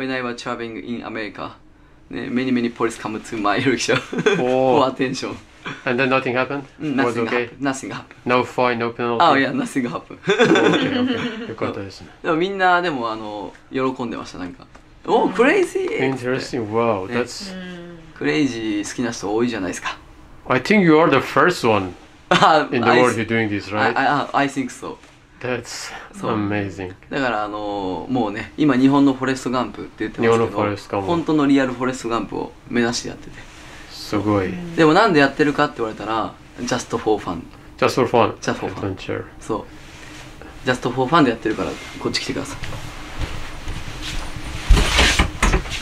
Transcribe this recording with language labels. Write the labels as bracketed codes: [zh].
[en] When I was traveling in America。 ね、many many police come to my rickshaw for attention。 And then nothing happened? Nothing happened. No fine, no penalty? Oh yeah, nothing happened. Okay, okay. [ja] よかったですね。でもみんなでも喜んでました、なんか。おー、クレイジー。 [en] Interesting, wow, that's... [ja] クレイジー好きな人多いじゃないですか。 [en] I think you are the first one in the world doing this, right? I think so. That's amazing. [ja] だからもうね、今日本のフォレストガンプって言ってますけど、日本のフォレストガンプ、本当のリアルフォレストガンプを目指してやってて、すごい。でもなんでやってるかって言われたら、 [en] Just for fun。 Just for fun. Just for fun. Adventure. [ja] そう。 [en] Just for fun [ja] でやってるからこっち来てください。